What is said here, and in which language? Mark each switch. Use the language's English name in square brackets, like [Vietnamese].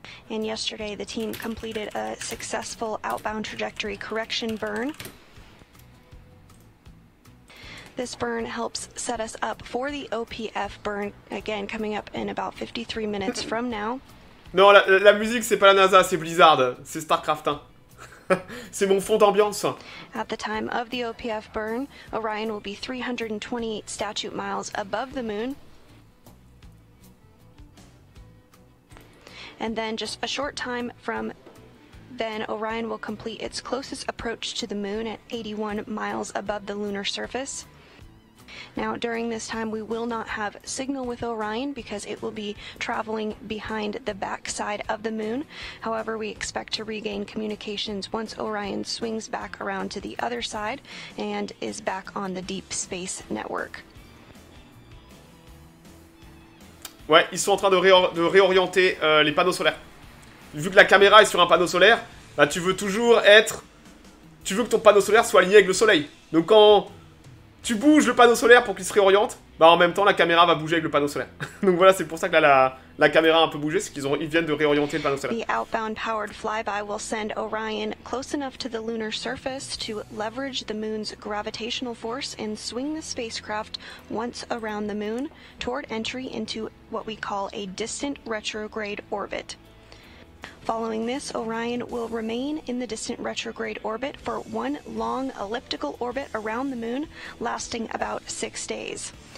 [English] And yesterday, the team completed a successful outbound trajectory correction burn. This burn helps set us up for the OPF burn, again, coming up in about 53 minutes from now. [French] Non, la musique, c'est pas la NASA, c'est Blizzard, c'est StarCraft 1. C'est mon fond d'ambiance. [English] At the time of the OPF burn, Orion will be 328 statute miles above the moon. And then just a short time from then, Orion will complete its closest approach to the moon at 81 miles above the lunar surface. Now, during this time, we will not have signal with Orion because it will be traveling behind the backside of the moon. However, we expect to regain communications once Orion swings back around to the other side and is back on the deep space network. [French] Ouais, ils sont en train de réorienter les panneaux solaires. Vu que la caméra est sur un panneau solaire, bah, tu veux que ton panneau solaire soit aligné avec le soleil. Donc quand... Tu bouges le panneau solaire pour qu'il se réoriente, bah en même temps la caméra va bouger avec le panneau solaire. Donc voilà, c'est pour ça que là la caméra a un peu bougé, c'est qu'ils viennent de réorienter le panneau solaire. [English] The outbound powered flyby will send Orion close enough to the lunar surface to leverage the moon's gravitational force and swing the spacecraft once around the moon toward entry into what we call a distant retrograde orbit. Following this, Orion will remain in the distant retrograde orbit for one long elliptical orbit around the moon, lasting about 6 days.